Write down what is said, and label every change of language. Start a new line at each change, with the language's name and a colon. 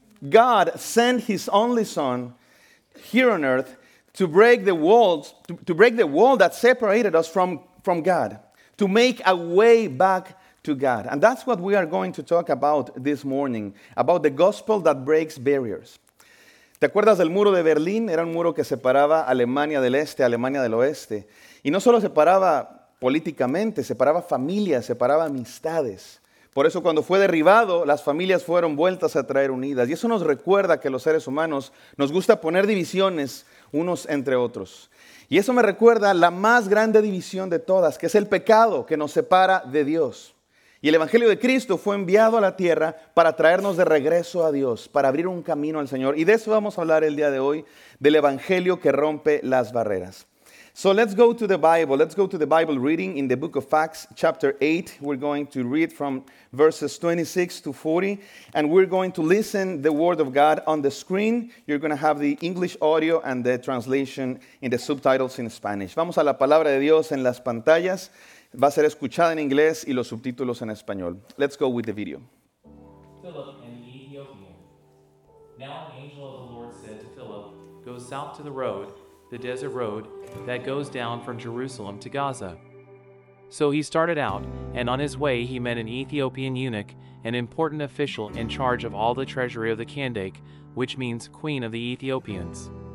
English: God sent his only son here on earth to break the walls, to break the wall that separated us from God, to make a way back to God. And that's what we are going to talk about this morning, about the gospel that breaks barriers.
Spanish: ¿Te acuerdas del muro de Berlín? Era un muro que separaba Alemania del Este, Alemania del Oeste. Y no solo separaba políticamente, separaba familias, separaba amistades. Por eso cuando fue derribado, las familias fueron vueltas a traer unidas. Y eso nos recuerda que los seres humanos nos gusta poner divisiones unos entre otros. Y eso me recuerda la más grande división de todas, que es el pecado que nos separa de Dios. Y el Evangelio de Cristo fue enviado a la tierra para traernos de regreso a Dios, para abrir un camino al Señor. Y de eso vamos a hablar el día de hoy, del Evangelio que rompe las barreras.
English: So let's go to the Bible. Let's go to the Bible reading in the book of Acts, chapter 8. We're going to read from verses 26 to 40, and we're going to listen to the Word of God on the screen. You're going to have the English audio and the translation in the subtitles in Spanish.
Spanish: Vamos a la palabra de Dios en las pantallas. va a ser escuchada en inglés y los subtítulos en español.
English: Let's go with the video. Philip in the Ethiopian. Now an angel of the Lord said to Philip, go south to the road, the desert road, that goes down from Jerusalem to Gaza. So he started out, and on his way he met an Ethiopian eunuch, an important official in charge of all the treasury of the Candake, which means Queen of the Ethiopians.